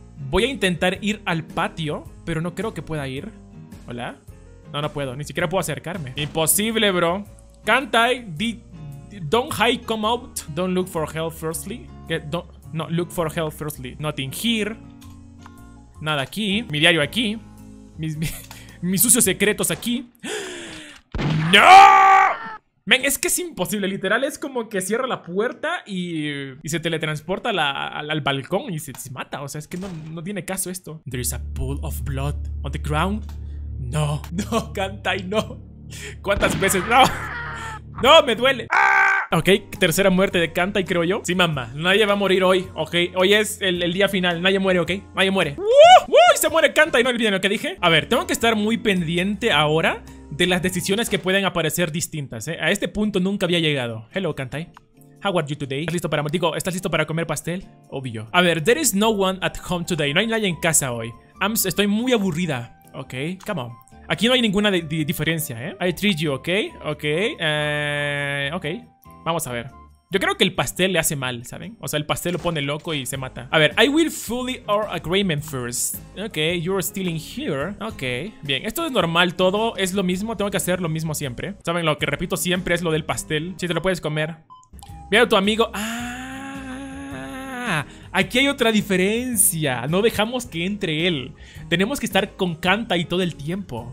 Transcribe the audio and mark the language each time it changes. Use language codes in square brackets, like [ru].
[es] Voy a intentar ir al patio. Pero no creo que pueda ir. ¿Hola? No, no puedo. Ni siquiera puedo acercarme. Imposible, bro. [en] Kantai, don't hide, come out. Don't look for help firstly. No, look for help firstly. Nothing here. [es] Nada aquí. Mi diario aquí. Mis sucios secretos aquí. ¡No! Men, es que es imposible. Literal, es como que cierra la puerta y se teletransporta al balcón y se mata. O sea, es que no tiene caso esto. [en] There is a pool of blood on the ground. [es] No. No, Kantai, no. ¿Cuántas veces? No. No, me duele. ¡Ah! Ok, tercera muerte de Kantai, creo yo. Sí, mamá, nadie va a morir hoy, ok. Hoy es el día final, nadie muere, ok. Nadie muere. ¡Woo! Se muere Kantai, no olviden lo que dije. A ver, tengo que estar muy pendiente ahora de las decisiones que pueden aparecer distintas, ¿eh? A este punto nunca había llegado. [en] Hello, Kantai. How are you today? [es] ¿Estás listo para... ¿estás listo para comer pastel? Obvio. A ver, [en] there is no one at home today. [es] No hay nadie en casa hoy. Estoy muy aburrida. [en] Ok, come on. [es] Aquí no hay ninguna diferencia, ¿eh? [en] I treat you, [es] ¿ok? Ok. Ok. Vamos a ver. Yo creo que el pastel le hace mal, ¿saben? O sea, el pastel lo pone loco y se mata. A ver, [en] I will fully our agreement first. [es] Ok, [en] you're still in here. [es] Ok, bien. Esto es normal todo. Es lo mismo. Tengo que hacer lo mismo siempre. ¿Saben? Lo que repito siempre es lo del pastel. Si te lo puedes comer. Mira a tu amigo. ¡Ah! Aquí hay otra diferencia. No dejamos que entre él. Tenemos que estar con Kantai todo el tiempo.